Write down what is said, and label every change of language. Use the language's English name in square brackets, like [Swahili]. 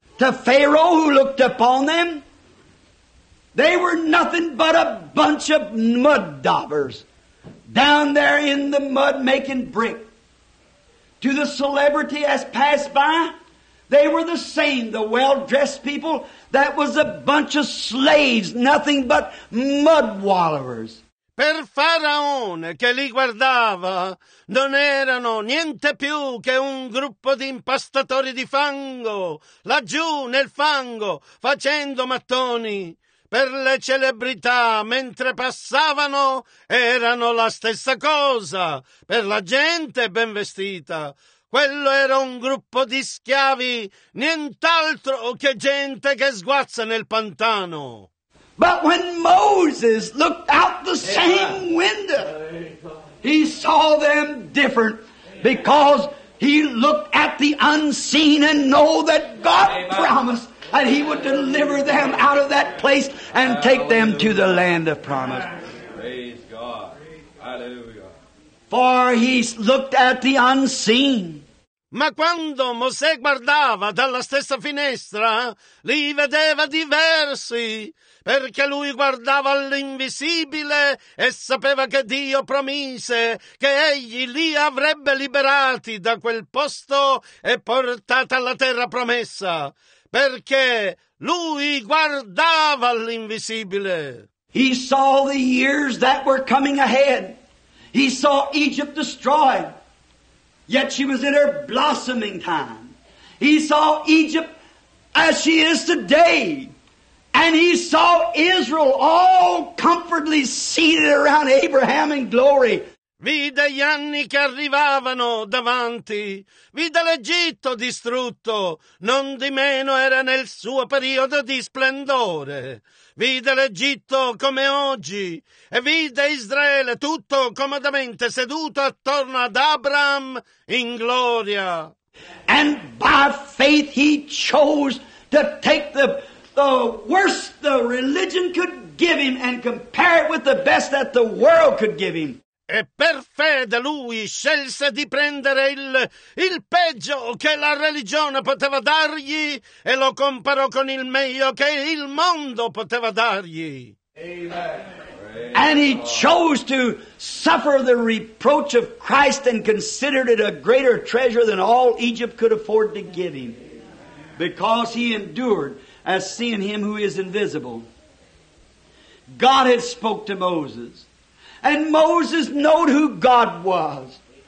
[English] The Pharaoh who looked upon them, they were nothing but a bunch of mud daubers down there in the mud making brick. To the celebrity as passed by, they were the same, the well-dressed people. That was a bunch of slaves, nothing but mud wallowers. [Italian] Per Faraone che li guardava, non erano niente più che un gruppo di impastatori di fango, laggiù nel fango, facendo mattoni. Per le celebrità, mentre passavano, erano la stessa cosa. Per la gente ben vestita. Quello era un gruppo di schiavi, nient'altro che gente che sguazza nel pantano. [English] But when Moses looked out the same window, he saw them different because he looked at the unseen and know that God promised that he would deliver them out of that place and take them to the land of promise. Praise God. Hallelujah. For he looked at the unseen. [Italian] Ma quando Mosè guardava dalla stessa finestra, li vedeva diversi, perché lui guardava all'invisibile e sapeva che Dio promise che egli li avrebbe liberati da quel posto e portati alla terra promessa, perché lui guardava all'invisibile. [English] He saw the years that were coming ahead. He saw Egypt destroyed. Yet she was in her blossoming time. He saw Egypt as she is today. And he saw Israel all comfortably seated around Abraham in glory. [Italian] Vide gli anni che arrivavano davanti. Vide l'Egitto distrutto. Non di meno era nel suo periodo di splendore. Vide l'Egitto come oggi e vide Israele tutto comodamente seduto attorno ad Abraham in gloria. [English] And by faith he chose to take the worst the religion could give him and compare it with the best that the world could give him. [Italian] E per fede lui scelse di prendere il peggio che la religione poteva dargli e lo comparò con il meglio che il mondo poteva dargli. [English] And he chose to suffer the reproach of Christ and considered it a greater treasure than all Egypt could afford to give him. Because he endured as seeing him who is invisible. God had spoke to Moses. And Moses knowed who God was.